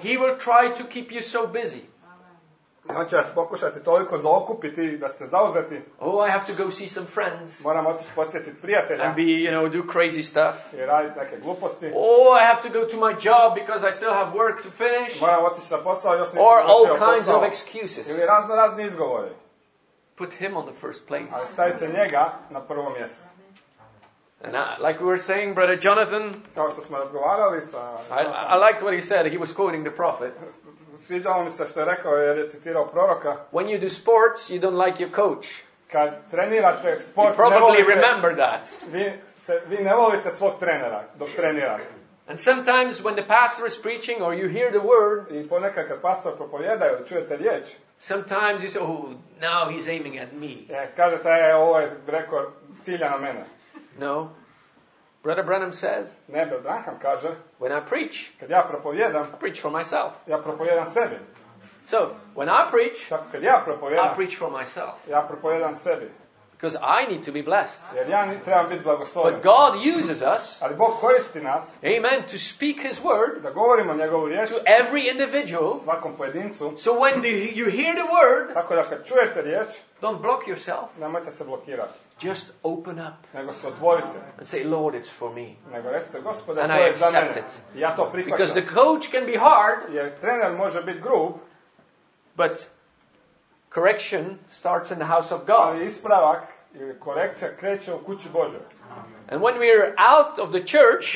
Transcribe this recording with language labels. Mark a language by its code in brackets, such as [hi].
[en] He will try to keep you so busy. [hr] On će vas pokušati toliko zaokupiti da ste zauzeti. [en] Oh, I have to go see some friends. [hr] Moram otići posjetiti prijatelja. [en] And be, you know, do crazy stuff. [hr] I raditi neke gluposti. [en] Oh, I have to go to my job because I still have work to finish. [hr] Moram otići na posao, još nisam. [en] Or all kinds of excuses. [hr] Ili razno razni izgovori. [en] Put him on the first place. [hr] Ali stavite njega na prvo mjesto. [en] And I, like we were saying, Brother Jonathan, [hr] kao što smo razgovarali sa, [en] I liked what he said. He was quoting the prophet. [hr] Sviđalo mi se što je rekao, jer je citirao proroka. [en] When you do sports, you don't like your coach. [hr] Kad trenirate sport, [en] you probably [hr] ne volite, [en] remember that. [hr] Vi ne volite svog trenera dok trenirate. [en] And sometimes when the pastor is preaching or you hear the word, [hr] i ponekad kad pastor propovjeda ili čujete riječ, [en] sometimes you say, oh, now he's aiming at me. [hr] Kažete, ovo je rekao, cilja na mene. [en] No. Brother Branham says, [hr] ne, Brother Branham kaže, [en] when I preach, [hr] kad ja propovjedam, [en] I preach for myself. [hr] Ja propovjedam sebi. [en] So, when I preach, [hr] tako kad ja propovjedam, [en] I preach for myself. [hr] Ja propovjedam sebi. [en] Because I need to be blessed. [hr] Jer ja trebam biti blagoslovljen. [en] But God uses us, [hr] ali Bog koristi nas, [en] amen, to speak His word, [hr] da govorimo njegovu riječ, [en] to every individual, [hr] svakom pojedincu. [en] So when you hear the word, [hr] tako da kad čujete riječ, [en] don't block yourself, [hr] nemojte se blokirati. [en] Just open up. [hr] Nego se otvorite. [en] And say, Lord, it's for me. [hr] Nego recite, Gospode, [en] and [hr] to [en] I [hr] je [en] accept [hr] za mene. [en] It. [hr] Ja to prihvaćam. [en] Because the coach can be hard. [hr] Jer trener može biti grub. [en] But correction starts in the house of God. [hr] Ali ispravak ili korekcija kreće u kući Božoj. [en] And when we are out of the church,